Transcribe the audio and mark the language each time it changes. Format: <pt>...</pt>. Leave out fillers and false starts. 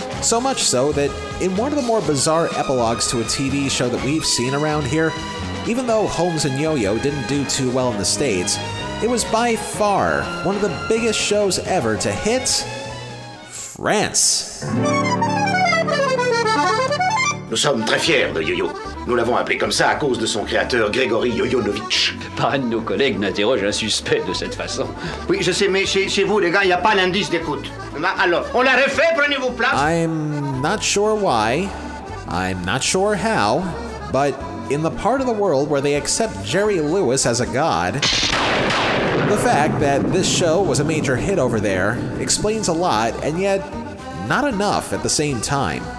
<en>So much so that in one of the more bizarre epilogues to a TV show that we've seen around here, even though Holmes and Yo-Yo didn't do too well in the States, it was by far one of the biggest shows ever to hit France.</en> <fr>Nous sommes très fiers de Yo-Yo. Nous l'avons appelé comme ça à cause de son créateur, Grégory Yo-Yo-Novitch. Pas un de nos collègues n'interroge un suspect de cette façon. Oui, je sais, mais chez vous, les gars, il n'y a pas l'indice d'écoute. Alors, on l'a refait, prenez vos places.</fr> <en>I'm not sure why, I'm not sure how, but in the part of the world where they accept Jerry Lewis as a god, the fact that this show was a major hit over there explains a lot, and yet not enough at the same time.</en>